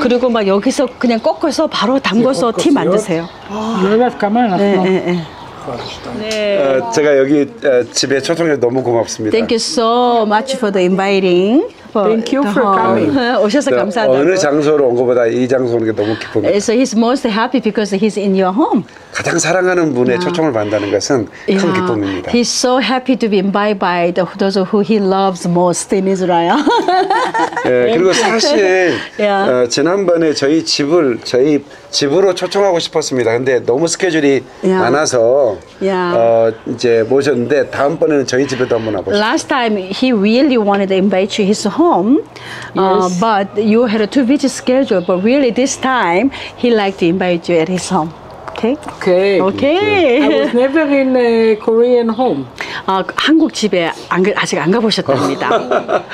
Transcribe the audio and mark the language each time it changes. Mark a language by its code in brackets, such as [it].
[ko] 그리고 막 여기서 그냥 꺾어서 바로 담궈서 티 만드세요. 네. 네. 제가 여기 집에 초청해 너무 고맙습니다. [en] Thank you so much for the inviting. Thank you for coming. [ko] 오셔서 감사합니다. 어느 장소로 온 것보다 이 장소 오는 게 너무 기쁩니다. [en] So he's most happy because he's in your home. [ko] 가장 사랑하는 분의 초청을 받는다는 것은 큰 기쁨입니다. [en] He's so happy to be invited by those who he loves most in Israel. [ko] 예, 그리고 사실 지난번에 저희 집을 저희 집으로 초청하고 싶었습니다. 근데 너무 스케줄이 많아서 이제 모셨는데 다음번에는 저희 집에도 한번 와보시죠. [en] Last time he really wanted to invite you his home, but you had a too busy schedule. But really this time he liked to invite you at his home. Okay. Okay. I was never in a Korean home. [ko] 아, 한국 집에 안, 아직 안 가보셨답니다.